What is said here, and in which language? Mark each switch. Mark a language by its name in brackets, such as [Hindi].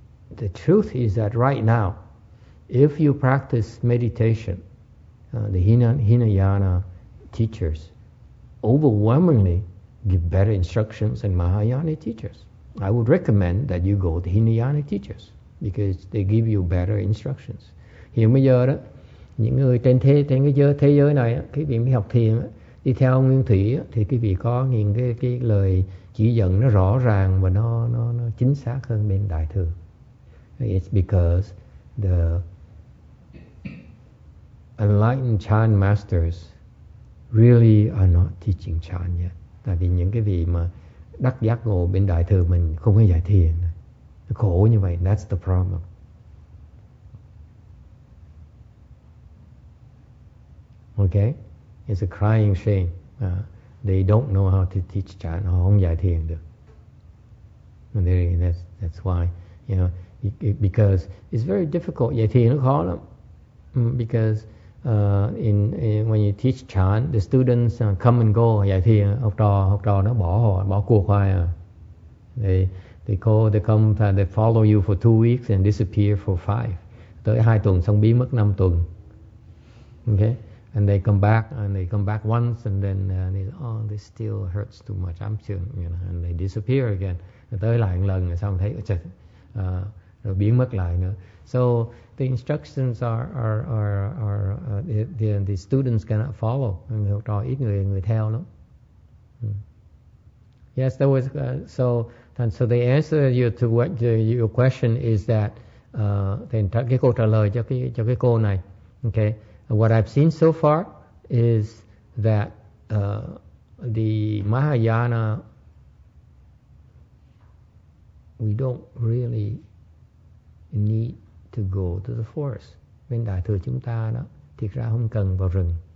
[English] The truth is that right now, if you practice meditation, the Hinayana teachers overwhelmingly give better instructions than Mahayana teachers. I would recommend that you go to Hinayana teachers because they give you better instructions. [Vietnamese] Hiện bây giờ đó, những người trên thế giới này, cái vị học thiền đi theo nguyên thủy thì cái vị có những cái lời chỉ dẫn nó rõ ràng và nó chính xác hơn bên đại thừa. [English] It's because the enlightened Chan masters really are not teaching Chan yet. [Vietnamese] Tại vì những cái vị mà đắc giác ngộ bên đại thừa mình không có giải thiền, nó khổ như vậy. [English] That's the problem. Okay, it's a crying shame. They don't know how to teach Chan. [Vietnamese] Họ không giải thiền được. [English] And that's why, you know. Because it's very difficult. [Vietnamese] Giải thiền nó khó lắm. [English] Because when you teach Chan, the students come and go. [Vietnamese] Giải thiền học trò nó bỏ họ, bỏ cuộc hoài à. [English] They follow you for 2 weeks and disappear for 5. [Vietnamese] Tới 2 tuần xong biến mất 5 tuần. [English] Okay, and they come back once and then they say, oh, this still hurts too much. I'm still, you know, and they disappear again. [Vietnamese] Tới lại một lần xong thấy trời. Rồi biến mất lại nữa. [English] So the instructions are the students cannot follow. [Vietnamese] Người học trò ít người theo lắm. [English] Yes, there was so the answer to your question is that [Vietnamese] cái câu trả lời cho cái cô này. [English] Okay, what I've seen so far is that the Mahayana we don't really need to go to the forest. [Vietnamese] Bên đại thừa chúng ta đó, thiệt ra không cần vào rừng.